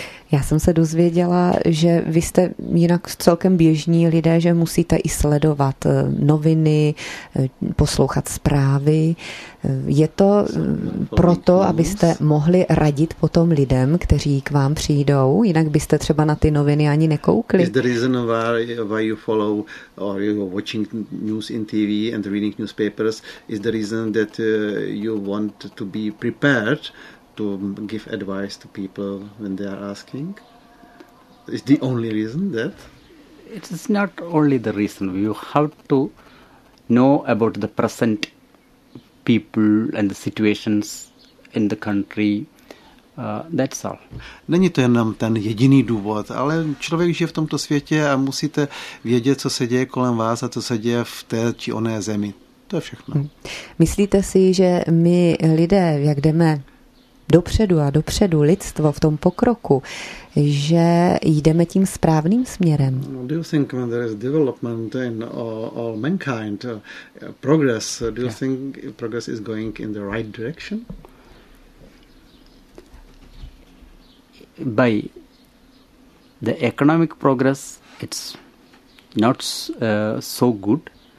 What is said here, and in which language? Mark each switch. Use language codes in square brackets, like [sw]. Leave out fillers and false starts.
[cs] Já jsem se dozvěděla, že vy jste jinak celkem běžní lidé, že musíte i sledovat noviny, poslouchat zprávy. Je to proto, abyste mohli radit potom lidem, kteří k vám přijdou, jinak byste třeba na ty noviny ani nekoukli. [en] Is the reason why you follow or you are watching news in TV and reading newspapers, is the reason that you want to be prepared to give advice to people when they are asking? Is the only reason that? It is not only the reason. You have to know about the present people and the situations in the country. That's all. [cs] Není to jenom ten jediný důvod, ale člověk žije v tomto světě a musíte vědět, co se děje kolem vás a co se děje v té či oné zemi. To je všechno. Myslíte si, že my lidé, jak jdeme dopředu lidstvo v tom pokroku, že jdeme tím správným směrem? [en] Do you think when there is development in all mankind, progress, do you think progress is going in the right direction? By the economic progress, it's not so good.